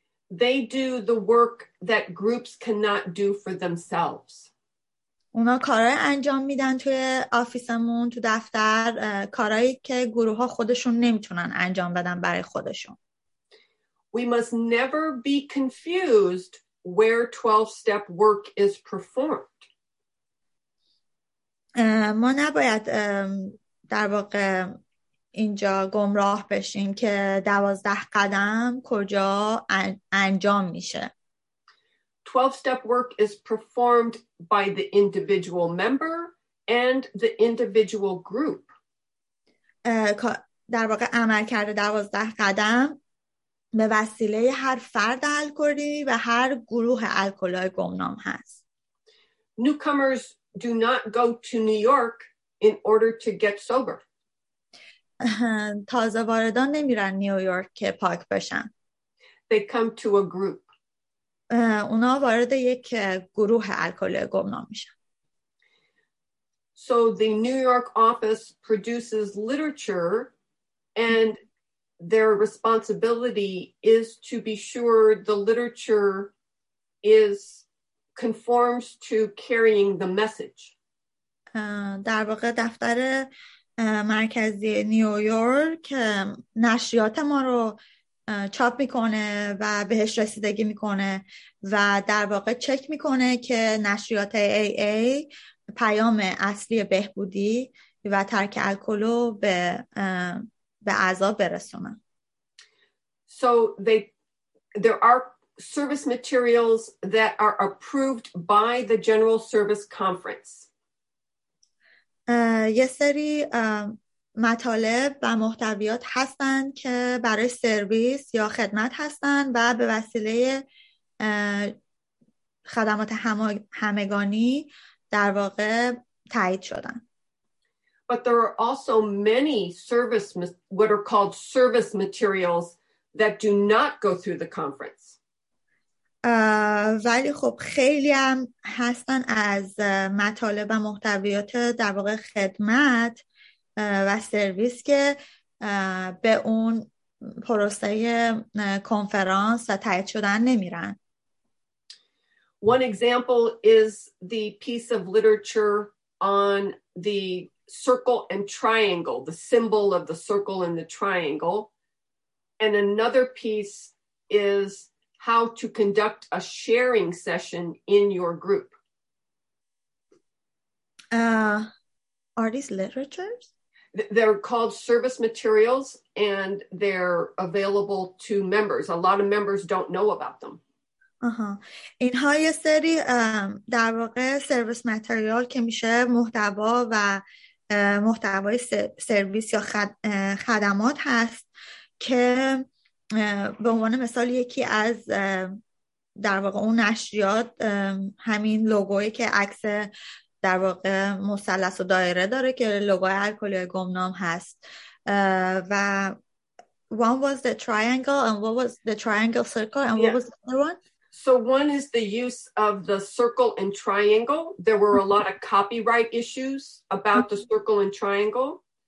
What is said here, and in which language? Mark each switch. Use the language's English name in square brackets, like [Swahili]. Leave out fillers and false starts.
[English] They do the work that groups cannot do for themselves. [Persian] اونا کارهای انجام میدن توی آفیسمون، تو دفتر، کارهایی که گروه ها خودشون نمیتونن انجام بدن برای خودشون. [English] We must never be confused where 12-step work is performed. [Persian] ما نباید در واقع اینجا گمراه بشیم که 12 قدم کجا انجام میشه. [English] 12-step work is performed by the individual member and the individual group. [Persian] در واقع عمل کرده 12 قدم به وسیله هر فرد الکلی و هر گروه الکلی گمنام هست. [English] Newcomers do not go to New York in order to get sober. [Persian] تازه واردان نمیرن نیویورک که پاک بشن. [English] They come to a group. [Persian] اونا وارد یک گروه الکلی گمنام میشن. [English] So the New York office produces literature and their responsibility is to be sure the literature is conforms to carrying the message. [Persian] در واقع دفتر مرکزی نیویورک نشریات ما رو چاپ میکنه و بهش رسیدگی میکنه و در واقع چک میکنه که نشریات AA پیام اصلی بهبودی و ترک الکل رو به اعضا برسونه. [English] So there are service materials that are approved by the General Service Conference. [Persian] یه سری مطالب و محتویات هستن که برای سرویس یا خدمت هستن و به وسیله خدمات همگانی در واقع تایید شدن. [English] But there are also many service what are called service materials that do not go through the conference. [Persian] ولی خب خیلی هم هستن از مطالب و محتویات در واقع خدمت و سرویس که به اون پروسه کنفرانس و تایید شدن نمیرن. [English] One example is the piece of literature on the circle and triangle, the symbol of the circle and the triangle. And another piece is how to conduct a sharing session in your group. Are these literatures? They're called service materials and they're available to members. A lot of members don't know about them. [Persian] اینها یه سری در واقع سرویس متریال که میشه محتوا و محتوای سرویس یا خدمات هست که به عنوان مثال یکی از در واقع اون نشریات همین لوگویی که عکس در واقع مثلث و دایره داره که لوگوی الکلی گمنام هست و [English] one was the triangle and what was the triangle circle and what was the other one. So one is the use of the circle and triangle. There were a lot of copyright issues about the circle and triangle.